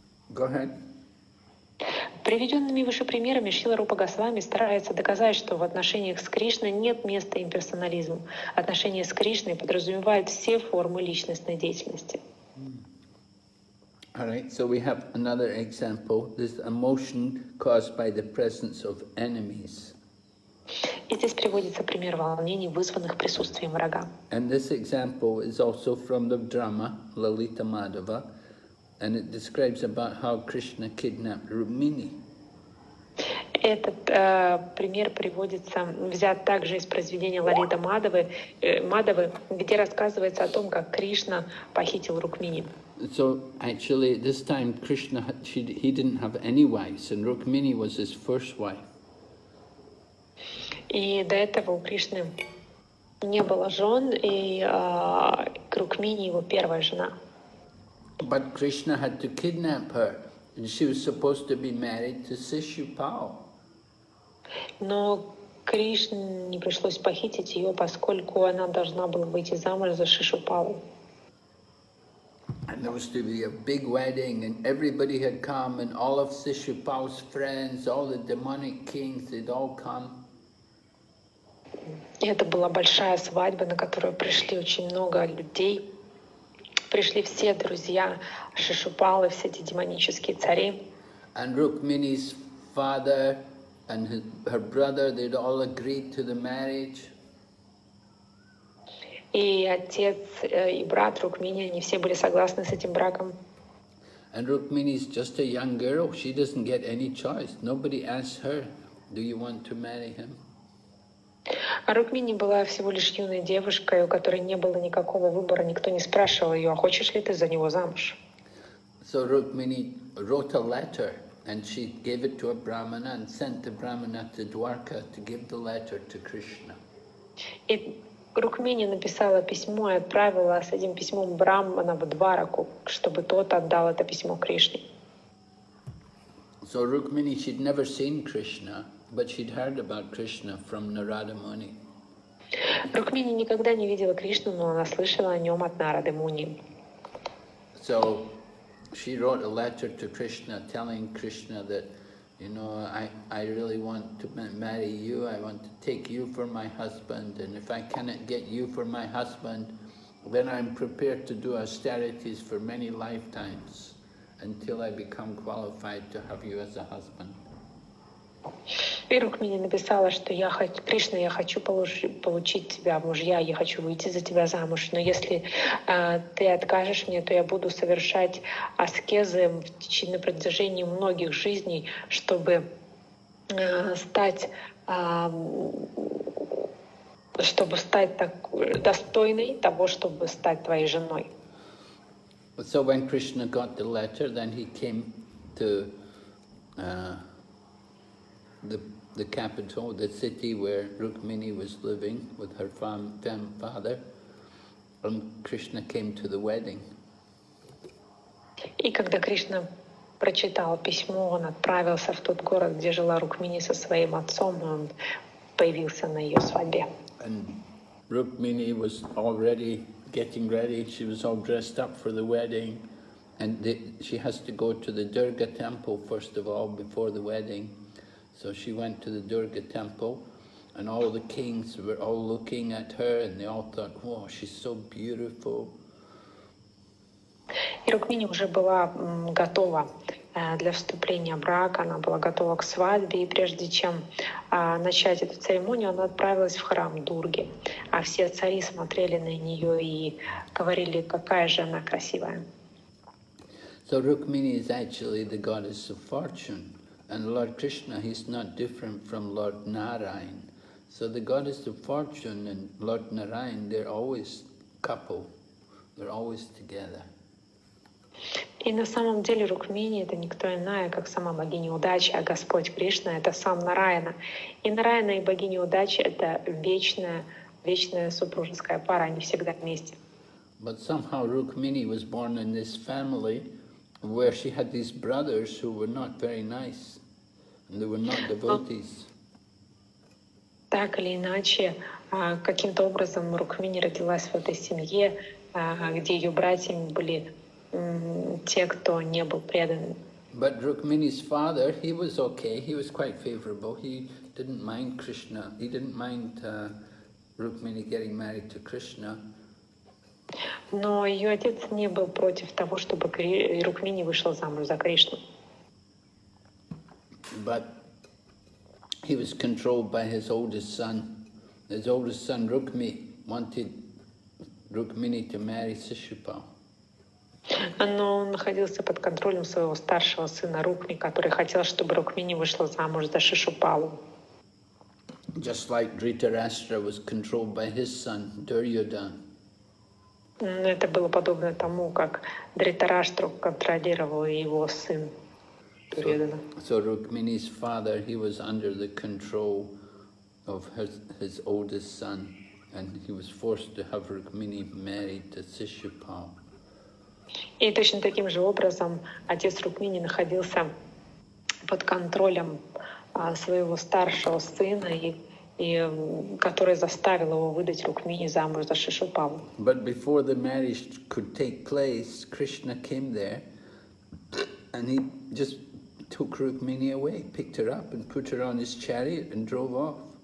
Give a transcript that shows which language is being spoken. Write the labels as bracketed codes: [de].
[en] Go ahead. [ru] Приведенными выше примерами Шрила Рупа Госвами старается доказать, что в отношениях с Кришной нет места имперсонализму. Отношения с Кришной подразумевают все формы личностной деятельности. [en] All right, so we have another example. This emotion caused by the presence of enemies. [ru] И здесь приводится пример волнений, вызванных присутствием врага. [en] And this example is also from the drama Lalita Madhava. And it describes about how Krishna kidnapped Rukmini. [ru] Этот пример приводится, взят также из произведения Лалита Мадхавы, где рассказывается о том, как Кришна похитил Рукмини. [en] So actually, this time Krishna he didn't have any wives, and Rukmini was his first wife. [ru] И до этого у Кришны не было жен, и Рукмини его первая жена. [en] But Krishna had to kidnap her, and she was supposed to be married to Sishupal. [ru] Но Кришне пришлось похитить ее, поскольку она должна была выйти замуж за Шишупалу. [en] And there was to be a big wedding, and everybody had come, and all of Sishupal's friends, all the demonic kings, they'd all come. [ru] Это была большая свадьба, на которую пришли очень много людей. Пришли все друзья Шишупалы, все эти демонические цари. [en] And Rukmini's father, and her brother, they'd all agreed to the marriage. [ru] И отец и брат Рукмини, они все были согласны с этим браком. [en] And Rukmini is just a young girl. She doesn't get any choice. Nobody asks her, "Do you want to marry him?" [ru] А Рукмини была всего лишь юной девушкой, у которой не было никакого выбора. Никто не спрашивал ее, а хочешь ли ты за него замуж? [en] So Rukmini wrote a letter, and she gave it to a brahmana and sent the brahmana to Dwarka to give the letter to Krishna. [ru] И Рукмини написала письмо и отправила с этим письмом брахмана в Двараку, чтобы тот отдал это письмо Кришне. [en] So Rukmini, she'd never seen Krishna, but she'd heard about Krishna from Narada Muni. [ru] Рукмини никогда не видела Кришну, но она слышала о нем от Нарады Муни. [en] So she wrote a letter to Krishna, telling Krishna that, you know, I really want to marry you. I want to take you for my husband. And if I cannot get you for my husband, then I'm prepared to do austerities for many lifetimes until I become qualified to have you as a husband. [ru] И Рукмини написала, что я хочу, Кришна, я хочу получить тебя в мужья, я хочу выйти за тебя замуж, но если ты откажешь мне, то я буду совершать аскезы в течение протяжении многих жизней, чтобы стать так достойной того, чтобы стать твоей женой. [en] So when Krishna got the letter, then he came to the capital, the city where Rukmini was living with her father, and Krishna came to the wedding. [ru] И когда Кришна прочитал письмо, он отправился в тот город, где жила Рукмини со своим отцом, и он появился на ее свадьбе. [en] And Rukmini was already getting ready. She was all dressed up for the wedding, and she has to go to the Durga temple first of all before the wedding. So she went to the Durga temple, and all the kings were all looking at her, and they all thought, "Wow, she's so beautiful." [ru] И Рукмини уже была готова для вступления в брак. Она была готова к свадьбе, и прежде чем начать эту церемонию, она отправилась в храм Дурги. А все цари смотрели на нее и говорили, какая же она красивая. [en] So Rukmini is actually the goddess of fortune. And Lord Krishna, he's not different from Lord Narayan. So the goddess of fortune and Lord Narayan, they're always couple. They're always together. [ru] И на самом деле Рукмини это никто иная, как сама богиня удачи, а Господь Кришна это сам Нараяна. И Нараяна и богиня удачи это вечная супружеская пара, они всегда вместе. [en] But somehow Rukmini was born in this family where she had these brothers who were not very nice. They were not devotees. [ru] Так или иначе, каким-то образом Рукмини родилась в этой семье, где ее братьями были те, кто не был предан. [en] But Rukmini's father, he was okay. He was quite favorable. He didn't mind Krishna. He didn't mind Rukmini getting married to Krishna. [ru] Но ее отец не был против того, чтобы Рукмини вышла замуж за Кришну. [en] But he was controlled by his oldest son. His oldest son Rukmi wanted Rukmini to marry Sishupal. [ru] Но он находился под контролем своего старшего сына Рукми, который хотел, чтобы Рукмини вышла замуж за Шишупалу. [en] Just like Dhritarashtra was controlled by his son Duryodhan. [ru] Это было подобно тому, как Дхритараштру контролировал его сын. [en] So Rukmini's father, he was under the control of his oldest son, and he was forced to have Rukmini married to Sishupal. [ru] И точно таким же образом отец Рукмини находился под контролем своего старшего сына, и который заставил его выдать Рукмини замуж за Шишупалу. [en] But before the marriage could take place, Krishna came there, and he just took Rukmini away, picked her up and put her on his chariot and drove off.